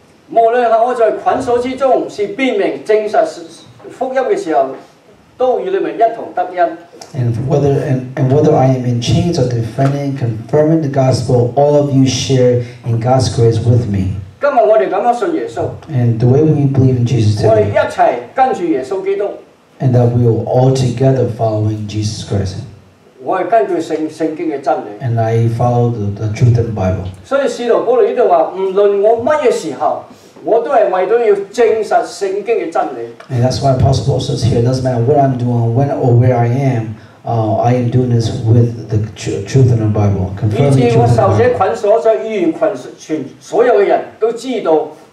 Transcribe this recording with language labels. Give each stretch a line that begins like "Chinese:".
English: And whether I am in chains or defending and confirming the gospel, all of you share in God's grace with me. And the way we believe in Jesus today, and that we will all together following Jesus Christ.
Cantonese: 我係根據聖經嘅真理。
English: And I follow the truth in the Bible.
Cantonese: 所以使徒保羅呢度話，唔論我乜嘢時候，我都係為咗要證實聖經嘅真理。
English: And that's why Apostle Paul says here, doesn't matter what I'm doing, when or where I am doing this with the truth in the Bible, confirming the truth in the Bible.
Cantonese: 以致我受者捆鎖，所以預言全所有嘅人都知道。